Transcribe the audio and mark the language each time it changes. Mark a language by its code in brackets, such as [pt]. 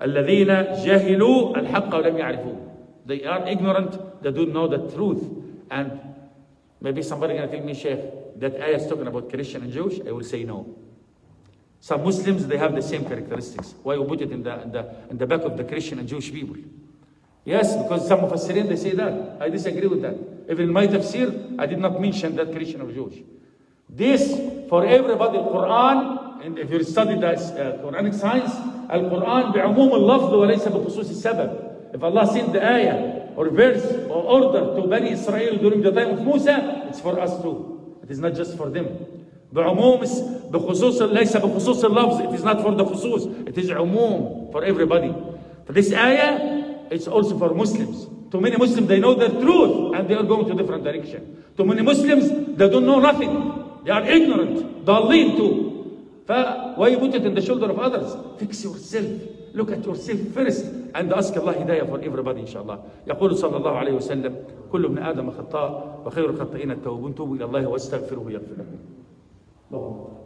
[ar] الذين جهلوا الحق ولم يعرفوا. [en] They are ignorant. They don't know the truth. And maybe somebody going to tell me, Sheikh, that ayah is talking about Christian and Jewish. I will say no. Some Muslims, they have the same characteristics. Why you put it in the back of the Christian and Jewish people? Yes, because some of us Syrians, they say that. I disagree with that. Even in my tafsir, I did not mention that Christian or Jewish. This, for everybody, Quran, and if you study the Quranic science, Al-Quran, [ar] بعموم اللفظ وليس بخصوص السبب. [en] If Allah sent the ayah, or verse, or order to Bani Israel during the time of Musa, it's for us too. It is not just for them. It is not for the khusus, it is umum for everybody. For this ayah, it's also for Muslims. Too many Muslims, they know the truth and they are going to a different direction. Too many Muslims, they don't know nothing. They are ignorant, dalleen too. Why you put it in the shoulder of others? Fix yourself. Look at yourself first and ask Allah hidayah for everybody, inshallah. [ar] يقول صلى الله عليه وسلم كل ابن آدم خطاء وخير الخطائين التوبون توبوا إلى الله واستغفروه يغفر لكم.